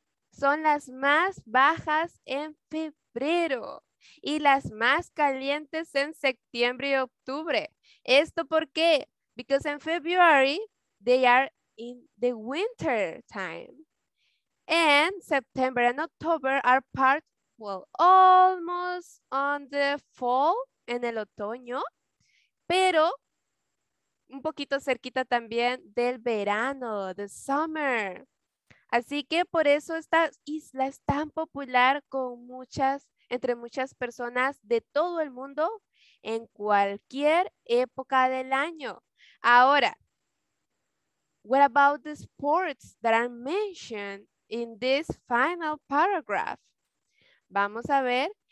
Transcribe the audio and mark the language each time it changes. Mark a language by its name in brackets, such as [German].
[Spanish] Son las más bajas en febrero y las más calientes en septiembre y octubre. ¿Esto por qué? [English] Because in February they are in the winter time. And September and October are part, well, almost on the fall, [Spanish] en el otoño, pero un poquito cerquita también del verano, [English] the summer. [Spanish] Así que por eso esta isla es tan popular con entre muchas personas de todo el mundo en cualquier época del año. [English] Ahora, what about the sports that are mentioned in this final paragraph? [Spanish] Vamos a ver